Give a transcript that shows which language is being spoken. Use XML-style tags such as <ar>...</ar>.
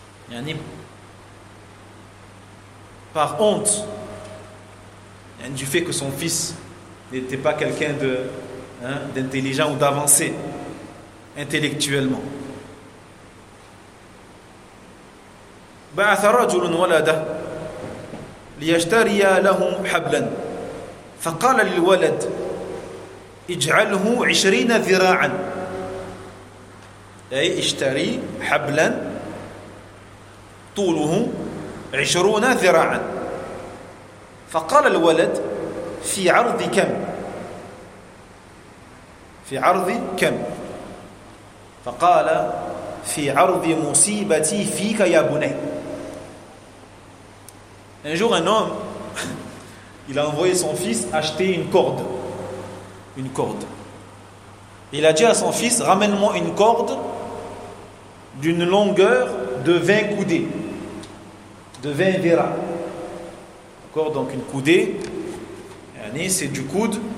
<fr>Yani, par honte, yani, du fait que son fils n'était pas quelqu'un d'intelligent ou d'avancé intellectuellement.</fr> <ar>بعث رجل ولده ليشتري له حبلا فقال للولد اجعله 20 ذراعا اي اشتري حبلا طوله 20 ذراعا فقال الولد في عرض كم في عرض كم فقال في عرض مصيبتي فيك يا بني.</ar> <fr>Un jour, un homme, il a envoyé son fils acheter une corde. Il a dit à son fils, ramène-moi une corde d'une longueur de 20 coudées, de 20 dira. D'accord, donc une coudée, c'est du coude</fr>